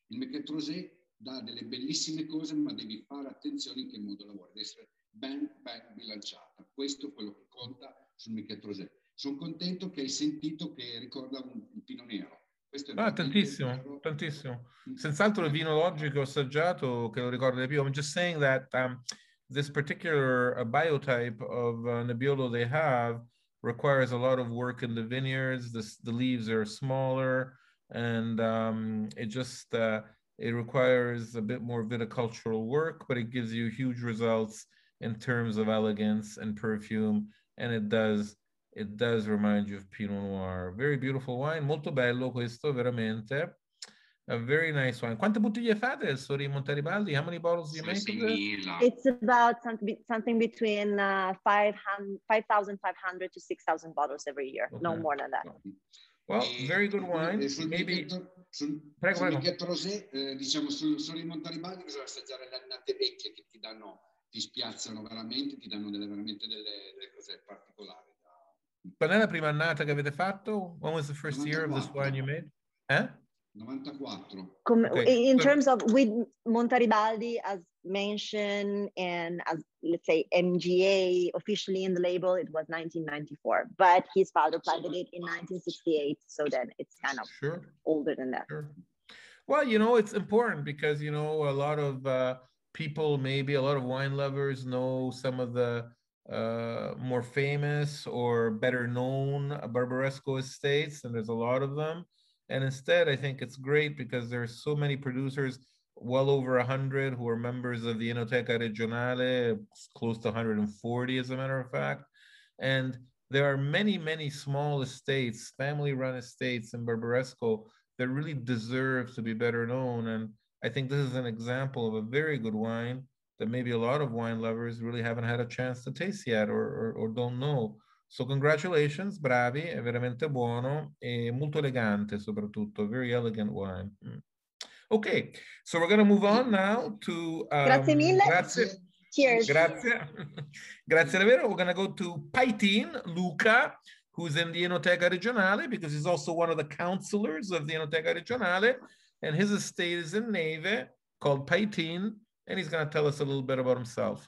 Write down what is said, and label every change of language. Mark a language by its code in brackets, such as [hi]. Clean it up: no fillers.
[it] Il Miquette Rosé dà delle bellissime cose, ma devi fare attenzione in che modo lavori, deve essere ben bilanciata. Questo è quello che conta sul Miquette Rosé. Sono contento che hai sentito che ricorda un pino nero. Questo è tantissimo. Senz'altro il vino oggi che ho assaggiato che lo ricorda di più. [en] I'm just saying that this particular biotype of Nebbiolo they have requires a lot of work in the vineyards. The leaves are smaller and it requires a bit more viticultural work, but it gives you huge results in terms of elegance and perfume. And it does remind you of Pinot Noir. Very beautiful wine. [it] Molto bello questo, veramente. [en] A very nice wine. [it] Quante bottiglie fate, [en] Sori Montaribaldi? How many bottles do you make? It's about something between 5,500 to 6,000 bottles every year. Okay. No more than that. Well, very good wine. Maybe. [it] Prego, prego. Miquette Rosé, diciamo sui Montaribaldi bisogna assaggiare le annate vecchie che ti spiazzano veramente, ti danno delle cose particolari. Qual è la prima annata che avete fatto? [en] When was the first 94. Year of this wine you made? 94. In terms of with Montaribaldi as mentioned and as let's say MGA officially in the label, it was 1994, but his father planted it in 1968, so then it's kind of sure. older than that. Sure. Well, you know, it's important because, you know, a lot of people, maybe a lot of wine lovers know some of the more famous or better known Barbaresco estates, and there's a lot of them. And instead, I think it's great because there are so many producers, well over 100, who are members of the Enoteca Regionale, close to 140, as a matter of fact. And there are many, many small estates, family-run estates in Barbaresco that really deserve to be better known. And I think this is an example of a very good wine that maybe a lot of wine lovers really haven't had a chance to taste yet or don't know. So congratulations, [it] bravi, è veramente buono e molto elegante soprattutto, [en] very elegant wine. Okay, so we're going to move on now to... [it] grazie mille. Grazie. [en] Cheers. [it] Grazie. Grazie davvero. [en] We're going to go to Paitin, Luca, who who's in the Enoteca Regionale because he's also one of the counselors of the Enoteca Regionale, and his estate is in Neve called Paitin, and he's going to tell us a little bit about himself.